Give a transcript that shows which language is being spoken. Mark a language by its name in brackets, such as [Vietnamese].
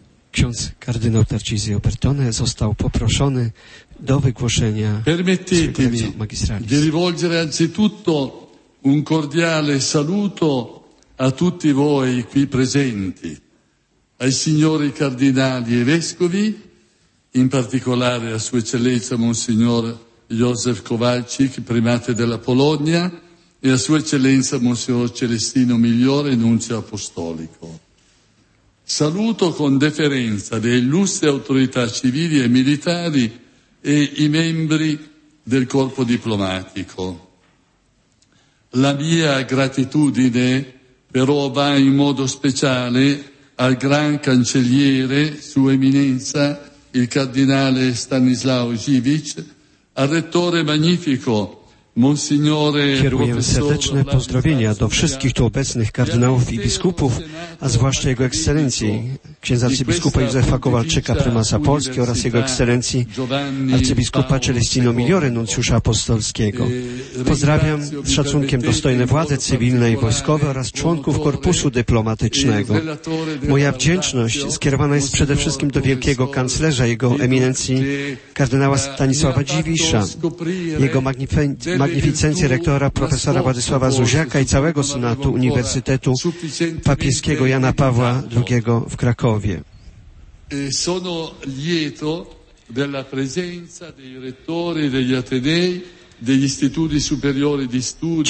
[Polish] Ksiądz kardynał Tarcisio Bertone został poproszony do wygłoszenia [Italian] permettetemi magistralis. Di rivolgere anzitutto un cordiale saluto a tutti voi qui presenti, ai signori cardinali e vescovi, in particolare a Sua Eccellenza Monsignor Józef Kowalczyk, primate della Polonia, e a Sua Eccellenza Monsignor Celestino Migliore, nunzio apostolico. Saluto con deferenza le illustri autorità civili e militari e i membri del corpo diplomatico. La mia gratitudine però va in modo speciale al Gran Cancelliere, Sua Eminenza, il Cardinale Stanislaw Żywicz, al Rettore Magnifico, Monsignore... [Polish] Kieruję serdeczne pozdrowienia do wszystkich tu obecnych kardynałów i biskupów, a zwłaszcza Jego Ekscelencji, księdza arcybiskupa Józefa Kowalczyka, prymasa Polski, oraz Jego Ekscelencji arcybiskupa Celestino Migliore, nuncjusza apostolskiego. Pozdrawiam z szacunkiem dostojne władze cywilne i wojskowe oraz członków korpusu dyplomatycznego. Moja wdzięczność skierowana jest przede wszystkim do wielkiego kanclerza, Jego Eminencji kardynała Stanisława Żywicza, Jego magnificencję rektora profesora Władysława Zuziaka i całego senatu Uniwersytetu Papieskiego Jana Pawła II w Krakowie. [Italian] Sono lieto della presenza dei rettori degli Atenei, degli istituti superiori di studi.